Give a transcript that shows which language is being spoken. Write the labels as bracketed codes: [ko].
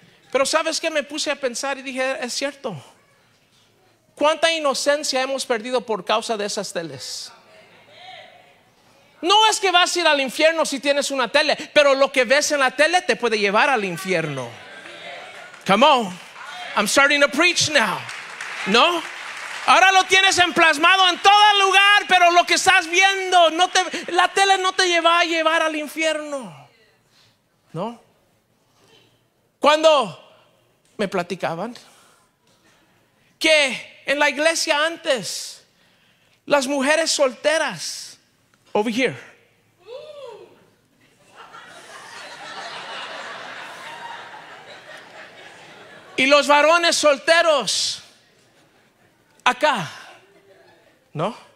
[es] Pero sabes que me puse a pensar y dije, es cierto. ¿Cuánta inocencia hemos perdido por causa de esas teles? No es que vas a ir al infierno si tienes una tele, pero lo que ves en la tele te puede llevar al infierno. [en] Come on, I'm starting to preach now. [es] No, ahora lo tienes emplasmado en todo el lugar, pero lo que estás viendo, la tele no te va a llevar al infierno. No. Cuando me platicaban que en la iglesia antes, las mujeres solteras, [en] over here, [es] y los varones solteros acá, ¿no?